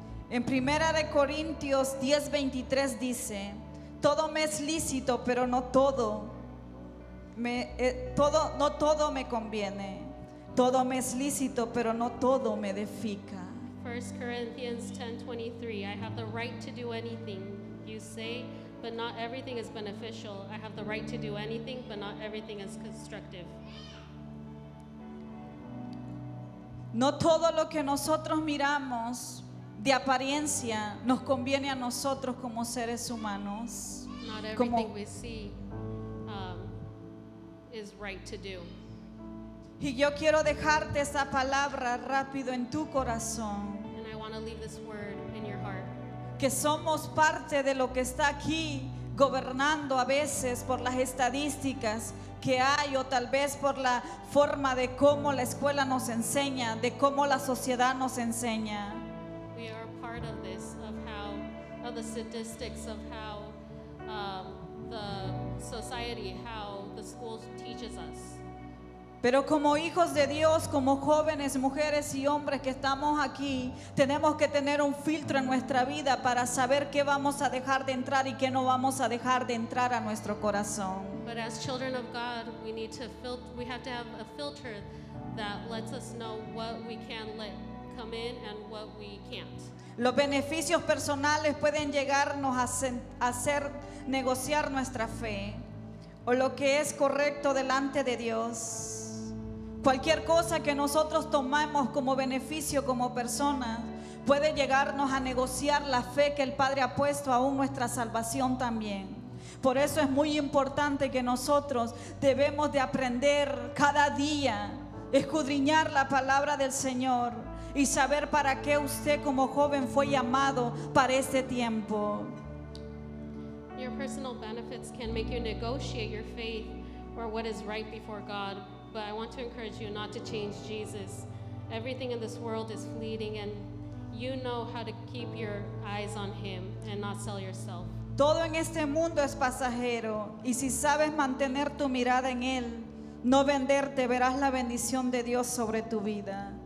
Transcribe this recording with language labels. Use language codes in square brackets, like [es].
[es] En Primera de Corintios 10:23 dice, todo me es lícito, pero no todo me todo no todo me conviene. Todo me es lícito, pero no todo me edifica. [en] 1 Corinthians 10:23, I have the right to do anything you say, but not everything is beneficial. I have the right to do anything, but not everything is constructive. [es] No todo lo que nosotros miramos de apariencia nos conviene a nosotros como seres humanos. [en] Not everything we see is right to do. [es] Y yo quiero dejarte esa palabra rápido en tu corazón. [en] And I want to leave this word in your heart. [es] Que somos parte de lo que está aquí gobernando a veces por las estadísticas que hay, o tal vez por la forma de cómo la escuela nos enseña, de cómo la sociedad nos enseña. [en] We are part of this, of the statistics of how the society, how the school teaches us. [es] Pero como hijos de Dios, como jóvenes, mujeres y hombres que estamos aquí, tenemos que tener un filtro en nuestra vida para saber qué vamos a dejar de entrar y qué no vamos a dejar de entrar a nuestro corazón. [en] But as children of God, we need to we have to have a filter that lets us know what we can let come in and what we can't. [es] Los beneficios personales pueden llegarnos a hacer negociar nuestra fe o lo que es correcto delante de Dios. Cualquier cosa que nosotros tomamos como beneficio como personas puede llegarnos a negociar la fe que el Padre ha puesto aún nuestra salvación también. Por eso es muy importante que nosotros debemos de aprender cada día, escudriñar la palabra del Señor y saber para qué usted como joven fue llamado para este tiempo. [en] Your personal benefits can make you negotiate your faith or what is right before God. But I want to encourage you not to change Jesus. Everything in this world is fleeting, and you know how to keep your eyes on Him and not sell yourself. [es] Todo en este mundo es pasajero, y si sabes mantener tu mirada en Él, no venderte, verás la bendición de Dios sobre tu vida.